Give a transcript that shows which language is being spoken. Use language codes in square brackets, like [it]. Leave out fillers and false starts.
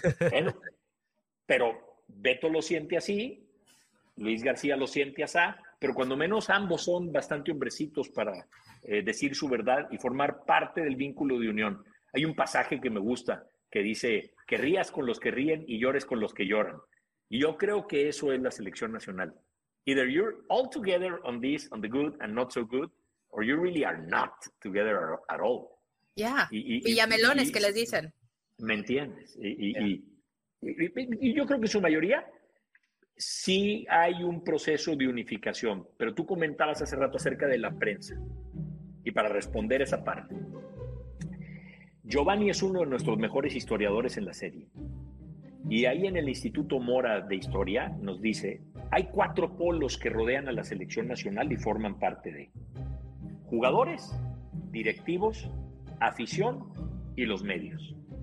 [es] Bueno, pero Beto lo siente así, Luis García lo siente así, pero cuando menos ambos son bastante hombrecitos para decir su verdad y formar parte del vínculo de unión. Hay un pasaje que me gusta que dice... Que rías con los que ríen y llores con los que lloran. Y yo creo que eso es la selección nacional. [en] Either you're all together on this, on the good and not so good, or you really are not together at all. [es] Yeah. Villamelones, que les dicen. ¿Me entiendes? Y yo creo que su mayoría sí hay un proceso de unificación. Pero tú comentabas hace rato acerca de la prensa. Y para responder esa parte... Giovanni es uno de nuestros mejores historiadores en la serie. Y ahí en el Instituto Mora de Historia nos dice, hay cuatro polos que rodean a la selección nacional y forman parte de jugadores, directivos, afición y los medios.